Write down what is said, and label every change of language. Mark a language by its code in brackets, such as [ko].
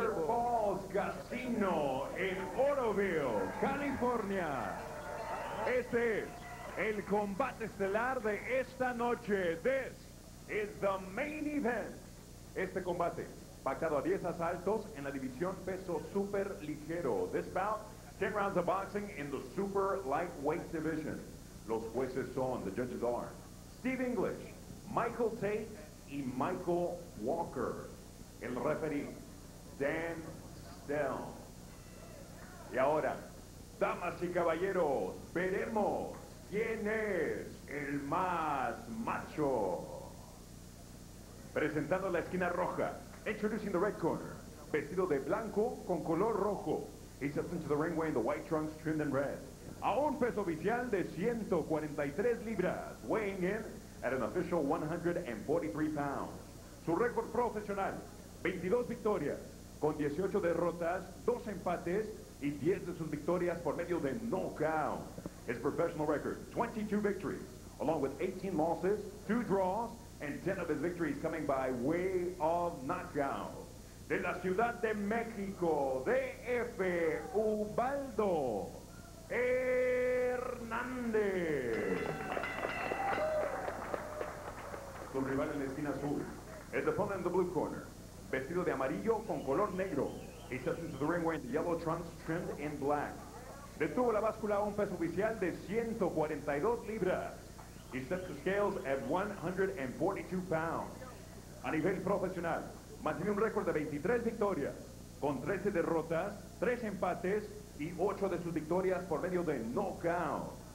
[es] Feather Falls Casino en Oroville, California. Este es el combate estelar de esta noche. [en] This is the main event. [es] Este combate, pactado a 10 asaltos en la división peso super ligero. [en] This bout, 10 rounds of boxing in the super lightweight division. [es] Los jueces son, [en] the judges are, [es] Steve English, Michael Tate, y Michael Walker. El referee, Dan Stell. Y ahora, damas y caballeros, veremos quién es el más macho. Presentando la esquina roja, [en] introducing the red corner, [es] vestido de blanco con color rojo. [en] He steps into the ring wearing the white trunks trimmed in red. [es] A un peso oficial de 143 libras, [en] weighing in at an official 143 pounds. [es] Su récord profesional, 22 victorias, con 18 derrotas, 2 empates y 10 de sus victorias por medio de knockout. [en] His professional record, 22 victories, along with 18 losses, 2 draws, and 10 of his victories coming by way of knockout. [es] De la Ciudad de México, DF, Ubaldo Hernández. Su rival en la esquina azul, [en] his opponent in the blue corner, [es] vestido de amarillo con color negro. [en] He steps into the ring wearing the yellow trunks trimmed in black. [es] Detuvo la báscula a un peso oficial de 142 libras. [en] He steps the scales at 142 pounds. [es] A nivel profesional, mantiene un récord de 23 victorias, con 13 derrotas, 3 empates y 8 de sus victorias por medio de knockout.